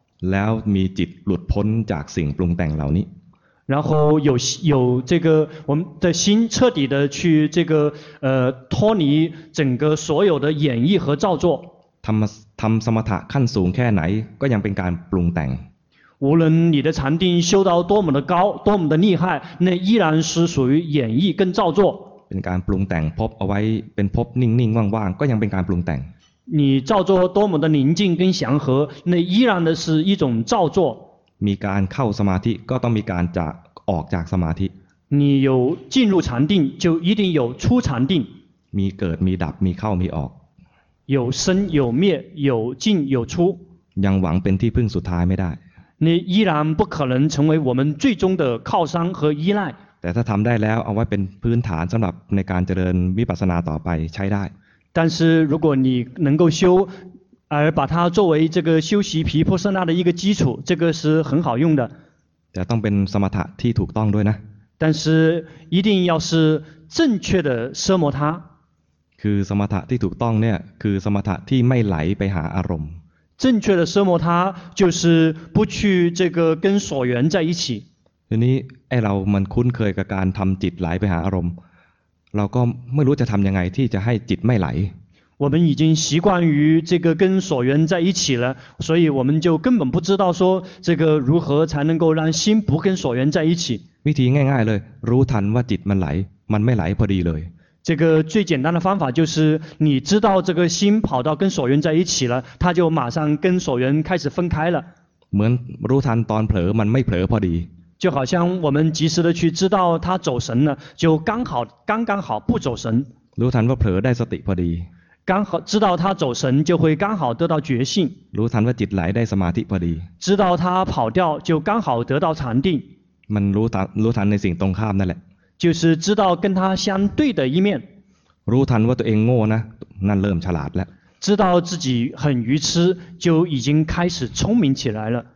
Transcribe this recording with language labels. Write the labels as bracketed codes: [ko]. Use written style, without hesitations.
[th] แล้วมีจิตหลุดพ้นจากสิ่งปรุงแต่งเหล่านี้ [zh] 然后有这个我们的心彻底的去这个脱离整个所有的演绎和造作 [th] ทำสมถะขั้นสูงแค่ไหนก็ยังเป็นการปรุงแต่ง [zh] 无论你的禅定修到多么的高多么的厉害那依然是属于演绎跟造作 [th] เป็นการปรุงแต่งพบเอาไว้เป็นพบนิ่งนิ่งว่างว่างก็ยังเป็นการปรุงแต่ง [zh] 你造作多么的宁静跟祥和那依然的是一种造作 [th] มีการเข้าสมาธิก็ต้องมีการจะออกจากสมาธิ [zh] 你有进入禅定就一定有出禅定 [th] มีเกิดมีดับมีเข้ามีออก [zh] 有生有灭有进有出 [th] ยังหวังเป็นที่พึ่งสุดท้ายไม่ได้ [zh] 你依然不可能成为我们最终的靠山和依赖 [th] แต่ถ้าทำได้แล้วเอาไว้เป็นพื้นฐานสำหรับในการเจริญวิปัสสนาต่อไปใช้ได้ [zh] 但是如果你能够修而把它作为这个修习毗婆舍那的一个基础这个是很好用的 [th] แต่ต้องเป็นสมถะที่ถูกต้องด้วยนะ [zh] 但是一定要是正确的奢摩他 [th] คือสมถะที่ถูกต้องเนี่ยคือสมถะที่ไม่ไหลไปหาอารมณ์ [zh] 正确的奢摩他就是不去这个跟所缘在一起 [th] ทีนี้ไอเรามันคุ้นเคยกับการทำจิตไหลไปหาอารมณ์เราก็ไม่รู้จะทำยังไงที่จะให้จิตไม่ไหล [zh] 我们已经习惯于这个跟所缘在一起了所以我们就根本不知道说这个如何才能够让心不跟所缘在一起 [th] วิธีง่ายๆเลยรู้ทันว่าจิตมันไหลมันไม่ไหลพอดีเลย [zh] 这个最简单的方法就是你知道这个心跑到跟所缘在一起了它就马上跟所缘开始分开了 [th] เหมือนรู้ทันตอนเผลอมันไม่เผลอพอดี [zh] 就好像我们及时的去知道它走神了就刚刚好不走神 [th] รู้ทันว่าเผลอได้สติพอดี [zh] 刚好知道它走神就会刚好得到觉性 [th] รู้ทันว่าจิตไหลได้สมาธิพอดี [zh] 知道它跑掉就刚好得到禅定 [th] มันรู้ทันในสิ่งตรงข้ามนั่นแหละ [zh] 就是知道跟他相对的一面 [th] รู้ทันว่าตัวเองโง่นะนั่นเริ่มฉลาดแล้ว [zh] 知道自己很愚痴就已经开始聪明起来了